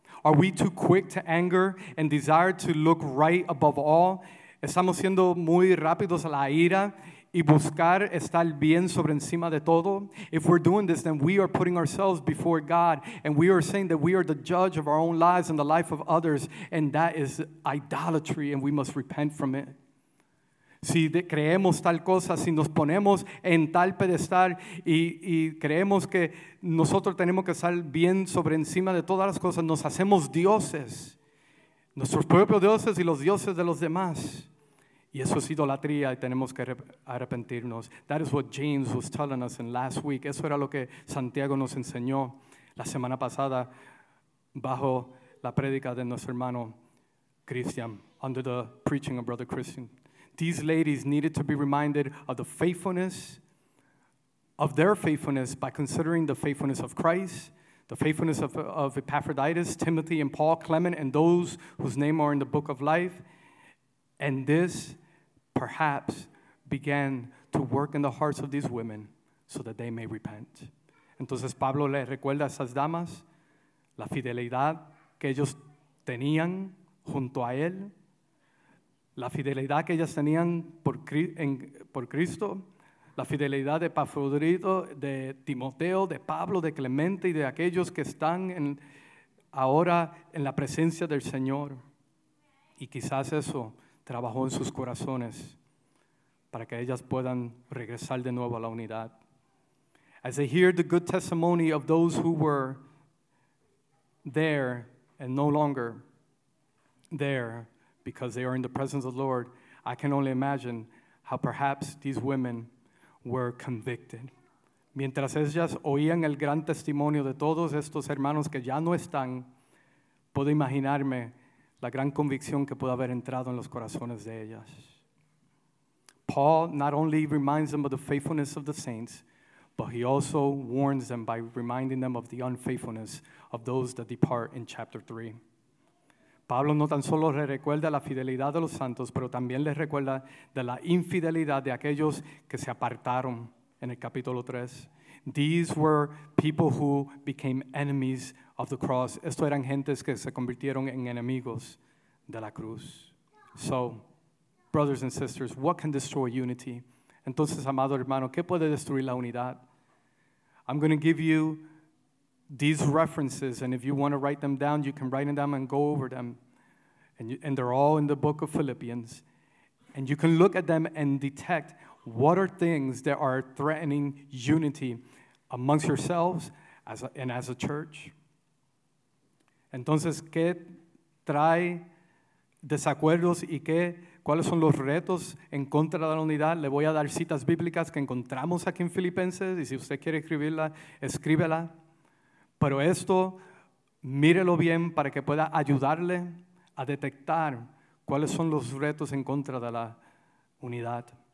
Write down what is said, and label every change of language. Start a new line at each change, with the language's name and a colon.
English: Are we too quick to anger and desire to look right above all?
Spanish: ¿Estamos siendo muy rápidos a la ira y buscar estar bien sobre encima de todo?
English: If we're doing this, then we are putting ourselves before God and we are saying that we are the judge of our own lives and the life of others, and that is idolatry and we must repent from it.
Spanish: Si creemos tal cosa, si nos ponemos en tal pedestal y creemos que nosotros tenemos que estar bien sobre encima de todas las cosas, nos hacemos dioses, nuestros propios dioses y los dioses de los demás. Y eso es idolatría y tenemos que arrepentirnos.
English: That is what James was telling us in last week.
Spanish: Eso era lo que Santiago nos enseñó la semana pasada bajo la prédica de nuestro hermano Christian,
English: under the preaching of Brother Christian. These ladies needed to be reminded of the faithfulness, of their faithfulness, by considering the faithfulness of Christ, the faithfulness of Epaphroditus, Timothy, and Paul, Clement, and those whose name are in the book of life. And this, perhaps, began to work in the hearts of these women so that they may repent.
Spanish: Entonces, Pablo le recuerda a esas damas la fidelidad que ellos tenían junto a él, la fidelidad que ellas tenían por Cristo, la fidelidad de Epafrodito, de Timoteo, de Pablo, de Clemente y de aquellos que están ahora en la presencia del Señor. Y quizás eso trabajó en sus corazones para que ellas puedan regresar de nuevo a la unidad.
English: As they hear the good testimony of those who were there and no longer there, because they are in the presence of the Lord, I can only imagine how perhaps these women were convicted.
Spanish: Mientras ellas oían el gran testimonio de todos estos hermanos que ya no están, puedo imaginarme la gran convicción que pudo haber entrado en los corazones de ellas.
English: Paul not only reminds them of the faithfulness of the saints, but he also warns them by reminding them of the unfaithfulness of those that depart in chapter 3.
Spanish: Pablo no tan solo le recuerda la fidelidad de los santos, pero también le recuerda de la infidelidad de aquellos que se apartaron en el capítulo 3.
English: These were people who became enemies of the cross.
Spanish: Estos eran gentes que se convirtieron en enemigos de la cruz.
English: So, brothers and sisters, what can destroy unity?
Spanish: Entonces, amado hermano, ¿qué puede destruir la unidad?
English: I'm going to give you these references, and if you want to write them down, you can write them and go over them. And they're all in the book of Philippians. And you can look at them and detect what are things that are threatening unity amongst yourselves as a church.
Spanish: Entonces, ¿qué trae desacuerdos y cuáles son los retos en contra de la unidad? Le voy a dar citas bíblicas que encontramos aquí en Filipenses, y si usted quiere escribirla, escríbela. Pero esto Mírelo bien para que pueda ayudarle a detectar cuáles son los retos en contra de la unidad.